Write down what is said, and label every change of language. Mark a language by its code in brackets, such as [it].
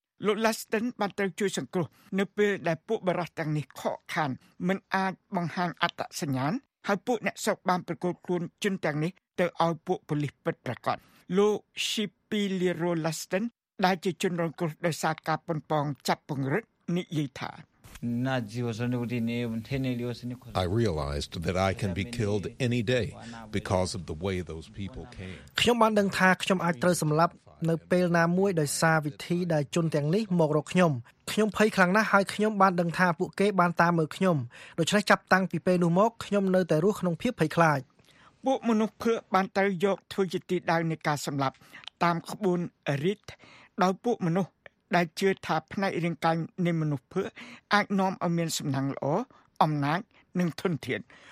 [km] លោក Laston បានត្រូវជួយសង្គ្រោះនៅពេលដែលពួកបរិសុទ្ធទាំងនេះខកខានមិនអាចបង្ហាញអត្តសញ្ញាណហើយពួកអ្នកសោកបានប្រកួតខ្លួនជន់ទាំងនេះទៅឲ្យពួកប៉ូលីសពិតប្រាកដលោក Shipy Liro Laston ដែលជាជនរងគ្រោះដោយសារការប៉ុនប៉ងចាប់ពង្រឹតនិយាយថា [en] I realized that I can be killed any day because of the way those people came [km] ខ្ញុំបានដឹងថាខ្ញុំអាចត្រូវសម្លាប់នៅពេលណាមួយដោយសារវិធីដែលជន់ទាំងនេះមករកខ្ញុំខ្ញុំភ័យខ្លាំងណាស់ហើយខ្ញុំបានដឹងថាពួកគេបានតាមមើលខ្ញុំដូច្នេះចាប់តាំងពីពេលនោះមកខ្ញុំនៅតែរស់ក្នុងភាពភ័យខ្លាច ពួកមនុស្សភឿបានត្រូវយកធ្វើជាទីដៅនៃការសម្លាប់តាមក្បួនរីតដោយពួកមនុស្សដែលជឿថាផ្នែករាងកាយនៃមនុស្សភឿអាចនាំឲ្យមានសំណាងល្អអំណាចនិងធនធាន